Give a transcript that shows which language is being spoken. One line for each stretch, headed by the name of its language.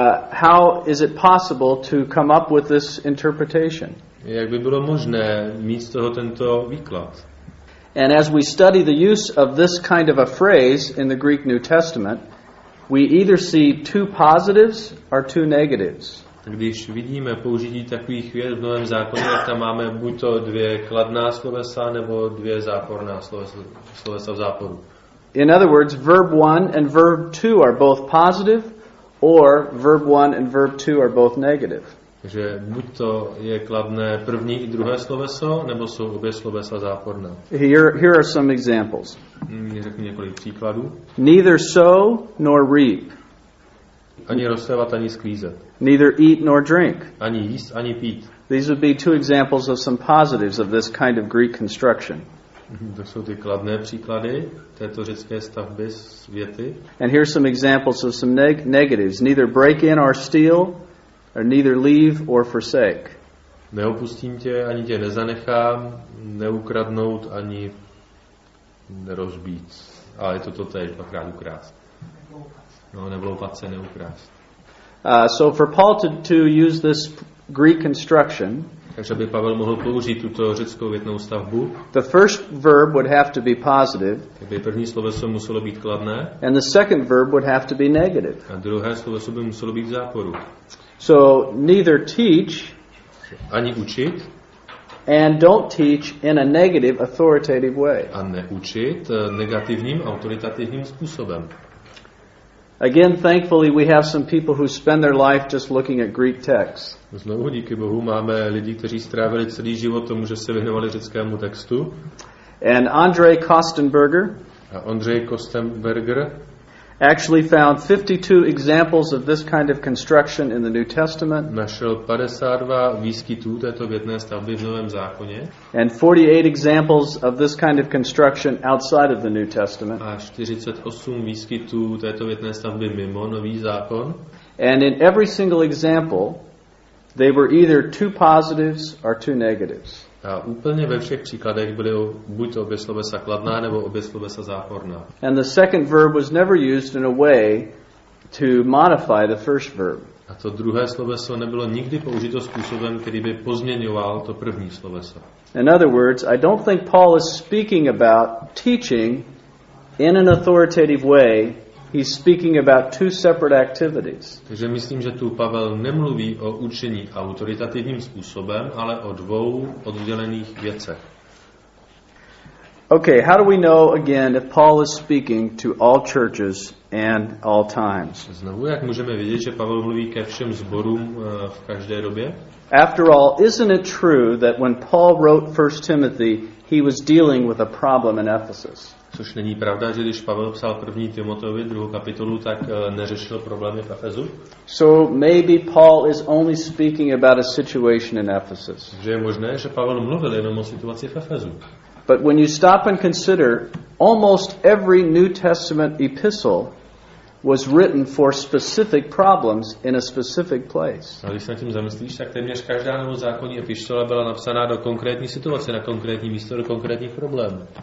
English: how is it possible to come up with this interpretation?
Czech: Jak by bylo možné mít z toho tento výklad?
English: And as we study the use of this kind of a phrase in the Greek New Testament, we either see two positives or two negatives.
Czech: Když vidíme použití takových věd v Novém zákoně, tak tam máme buď to dvě kladná slovesa nebo dvě záporná slovesa v záporu.
English: In other words, verb 1 and verb 2 are both positive, or verb 1 and verb 2 are both negative.
Czech: Takže buď to je kladné první i druhé sloveso, nebo jsou obě slovesa záporná.
English: Here are some examples.
Czech: Řeknu několik příkladů.
English: Neither sow nor reap.
Czech: Ani rozsévat, ani sklízet.
English: Neither eat nor drink.
Czech: Ani jíst, ani pít.
English: These would be two examples of some positives of this kind of Greek construction.
Czech: To jsou ty kladné příklady této řecké stavby z věty.
English: And here's some examples of some negatives. Neither break in or steal, or neither leave or forsake.
Czech: Neopustím tě, ani tě nezanechám, neukradnout, ani nerozbít. Ale je to totéž, dvakrát ukrást. No, nevloupat se, neukrást.
English: So for Paul to use this Greek construction,
Czech: takže by Pavel mohl použít tuto řeckou větnou stavbu,
English: the first verb would have to be positive,
Czech: tak by první sloveso muselo být kladné,
English: and the second verb would have to be negative.
Czech: A druhé sloveso by muselo být v záporu.
English: So neither teach,
Czech: ani učit,
English: and don't teach in a negative authoritative way.
Czech: A neučit negativním autoritativním způsobem.
English: Again, thankfully, we have some people who spend their life just looking at Greek texts.
Czech: Znovu díky Bohu máme lidi, kteří strávili celý život tomu, že se věnovali řeckému textu.
English: And Andrej Kostenberger.
Czech: A Andrej Kostenberger
English: actually found 52 examples of this kind of construction in the New Testament.
Czech: Našel 52 výskytů této větné stavby v Novém zákoně.
English: And 48 examples of this kind of construction outside of the New Testament.
Czech: A 48 výskytů této větné stavby mimo Nový zákon.
English: And in every single example, they were either two positives or two negatives.
Czech: A úplně ve všech příkladech byly buď obě slovesa kladná nebo obě slovesa záporná.
English: And the second verb was never used in a way to modify the first verb.
Czech: A to druhé sloveso nebylo nikdy použito způsobem, který by pozměňoval to první sloveso.
English: In other words, I don't think Paul is speaking about teaching in an authoritative way. He's speaking about two separate activities.
Czech: Takže myslím, že tu Pavel nemluví o učení autoritativním způsobem, ale o dvou oddělených věcech.
English: Okay, how do we know again if Paul is speaking to all churches and all times?
Czech: Znovu, jak můžeme vědět, že Pavel mluví ke všem sborům v každé době?
English: After all, isn't it true that when Paul wrote 1 Timothy, he was dealing with a problem in Ephesus?
Czech: Což není pravda, že když Pavel psal 1. Timoteovi 2. kapitolu, tak neřešil problémy v Efezu?
English: So maybe Paul is only speaking about a situation in Ephesus.
Czech: Že je možné, že Pavel mluvil jenom o situaci v Efezu.
English: But when you stop and consider, almost every New Testament epistle was written for specific problems in a specific place.
Czech: A když se tím zamyslíš, tak téměř každá novozákonní epištola byla napsaná do konkrétní situace, na konkrétní místo, do konkrétních problémů.